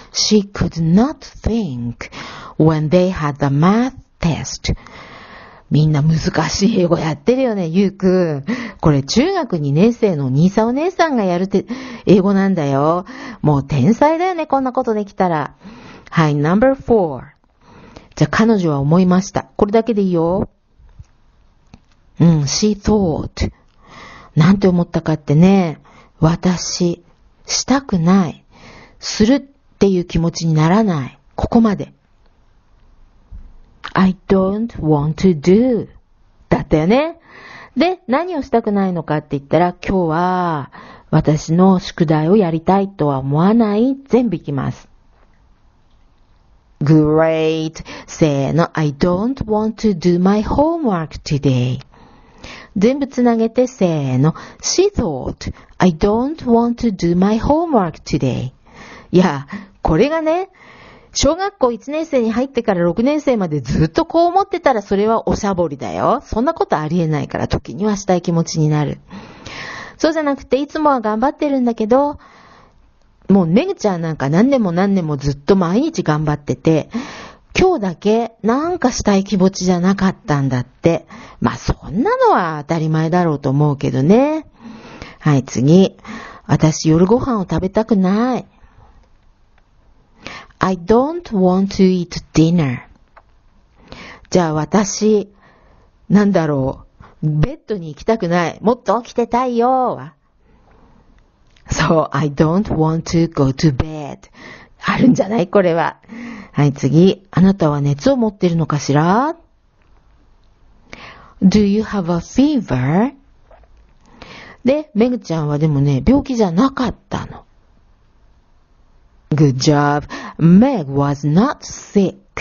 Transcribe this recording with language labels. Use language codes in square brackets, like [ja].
[en] She could not think when they had the math test. [ja] みんな難しい英語やってるよね、ゆうくん。これ中学2年生の兄さんお姉さんがやるって英語なんだよ。もう天才だよね、こんなことできたら。はい、number four。じゃあ彼女は思いました。これだけでいいよ。 [en] she thought。 [ja] なんて思ったかってね、私、したくない、するっていう気持ちにならない、ここまで。 [en] I don't want to do. だったよね。 [ja] で、何をしたくないのかって言ったら、今日は私の宿題をやりたいとは思わない、全部いきます。 [en] Great! [ja] せーの、 [en] I don't want to do my homework today. [ja] 全部つなげてせーの、 [en] She thought, I don't want to do my homework today. [ja] いや、これがね、小学校1年生に入ってから6年生までずっとこう思ってたらそれはおしゃぼりだよ。そんなことありえないから時にはしたい気持ちになる。そうじゃなくて、いつもは頑張ってるんだけど、もうネグちゃんなんか何年も何年もずっと毎日頑張ってて、今日だけなんかしたい気持ちじゃなかったんだって。まあそんなのは当たり前だろうと思うけどね。はい、次。私夜ご飯を食べたくない。 [en] I don't want to eat dinner。 [ja] じゃあ私、なんだろう、ベッドに行きたくない、もっと起きてたいよ。 [en] So, I don't want to go to bed. [ja] あるんじゃない?これは。はい、次。あなたは熱を持ってるのかしら? [en] Do you have a fever? [ja] で、メグちゃんはでもね、病気じゃなかったの。 [en] Good job. Meg was not sick.